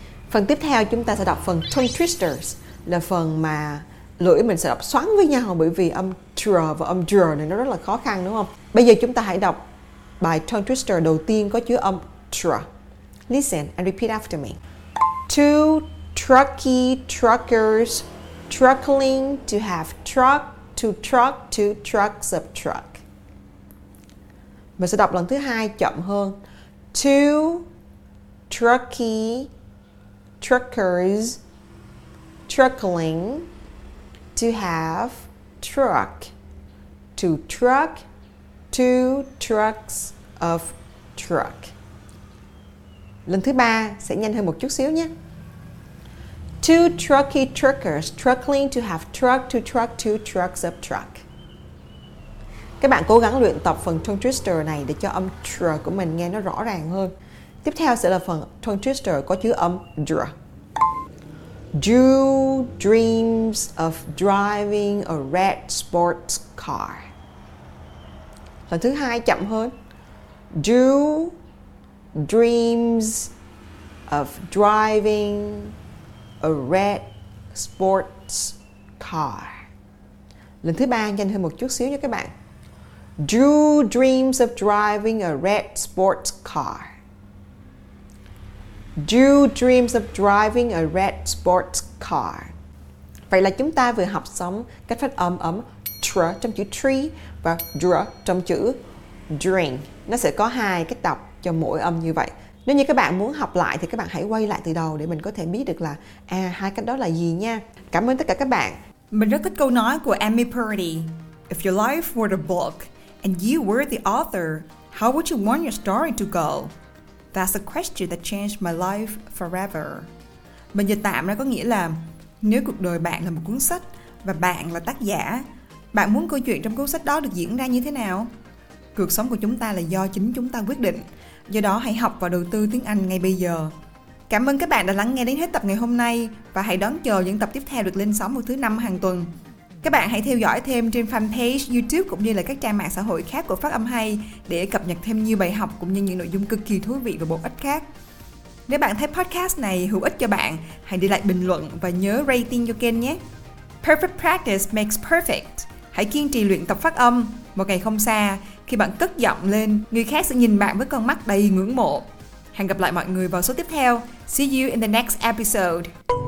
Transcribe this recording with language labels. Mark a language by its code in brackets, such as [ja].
[vi] Phần tiếp theo chúng ta sẽ đọc phần tongue twisters, là phần mà lưỡi mình sẽ đọc xoắn với nhau bởi vì âm tr và âm dr này nó rất là khó khăn đúng không? Bây giờ chúng ta hãy đọc bài tongue twister đầu tiên có chứa âm tr. [en] Listen and repeat after me. Two trucky truckers truckling to have truck to trucks of truck. [vi] Mình sẽ đọc lần thứ hai chậm hơn. [en] Two trucky truckers truckling to have truck to truck to trucks of truck. [vi] Lần thứ ba sẽ nhanh hơn một chút xíu nhé. [en] Two trucky truckers truckling to have truck to truck to trucks of truck. [vi] Các bạn cố gắng luyện tập phần tongue twister này để cho âm tr của mình nghe nó rõ ràng hơn. Tiếp theo sẽ là phần tongue twister có chữ âm dr. [en] Drew dreams of driving a red sports car. [vi] Lần thứ hai chậm hơn. [en] Drew dreams of driving a red sports car. [vi] Lần thứ ba nhanh hơn một chút xíu nha các bạn. [en] Drew dreams of driving a red sports car. Drew dreams of driving a red sports car. [vi] Vậy là chúng ta vừa học xong cách phát âm ấm tr trong chữ tree và dr trong chữ drink. Nó sẽ có hai cách đọc cho mỗi âm như vậy. Nếu như các bạn muốn học lại thì các bạn hãy quay lại từ đầu để mình có thể biết được là hai cách đó là gì nha. Cảm ơn tất cả các bạn. Mình rất thích câu nói của Amy Purdy. [en] If your life were a book and you were the author, how would you want your story to go? That's a question that changed my life forever. [vi] Mình dịch tạm ra có nghĩa là nếu cuộc đời bạn là một cuốn sách và bạn là tác giả, bạn muốn câu chuyện trong cuốn sách đó được diễn ra như thế nào? Cuộc sống của chúng ta là do chính chúng ta quyết định. Do đó hãy học và đầu tư tiếng Anh ngay bây giờ. Cảm ơn các bạn đã lắng nghe đến hết tập ngày hôm nay và hãy đón chờ những tập tiếp theo được lên sóng vào thứ năm hàng tuần. Các bạn hãy theo dõi thêm trên fanpage YouTube cũng như là các trang mạng xã hội khác của Phát Âm Hay để cập nhật thêm nhiều bài học cũng như những nội dung cực kỳ thú vị và bổ ích khác. Nếu bạn thấy podcast này hữu ích cho bạn, hãy để lại bình luận và nhớ rating cho kênh nhé. [en] Perfect practice makes perfect. [vi] Hãy kiên trì luyện tập phát âm. Một ngày không xa, khi bạn cất giọng lên, người khác sẽ nhìn bạn với con mắt đầy ngưỡng mộ. Hẹn gặp lại mọi người vào số tiếp theo. [en] See you in the next episode.